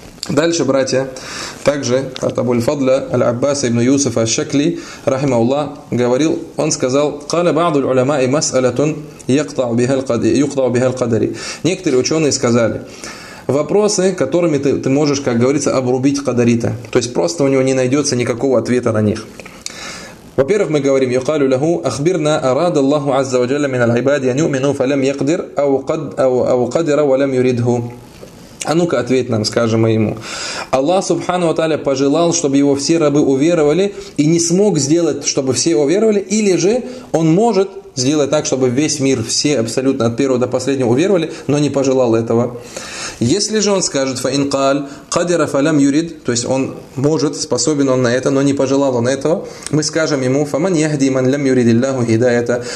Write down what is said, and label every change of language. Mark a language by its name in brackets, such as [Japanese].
[Russian] Дальше, братья, также от Абу-ль-Фадля аль-Аббаса ибн Юсуфа аш-Шакли, рахима Аллах, говорил, он сказал, [Arabic] «Каля ба'дул улема и мас'алятун юкта'у бихал кадари». [Russian] Некоторые ученые сказали, вопросы, которыми ты можешь, как говорится, обрубить кадарита. То есть просто у него не найдется никакого ответа на них. Во-первых, мы говорим, [Arabic] يقال له أخبرنا أراد الله عز وجل من العباد أن يؤمنوا فلم يقدر أو قدر ولم يريده. [Russian] А ну-ка, ответь нам, скажем мы ему. Аллах, субхану ва тааля, пожелал, чтобы его все рабы уверовали и не смог сделать, чтобы все уверовали, или же он может сделать так, чтобы весь мир, все абсолютно от первого до последнего уверовали, но не пожелал этого. Если же он скажет [Arabic] فَإِنْ قَالْ قَدِرَ فَلَمْ يُرِدْ, [Russian] то есть он может, способен он на это, но не пожелал он этого, мы скажем ему [Arabic] فَمَنْ يَهْدِي مَنْ لَمْ يُرِدِ اللَّهُ هِدَايَةً.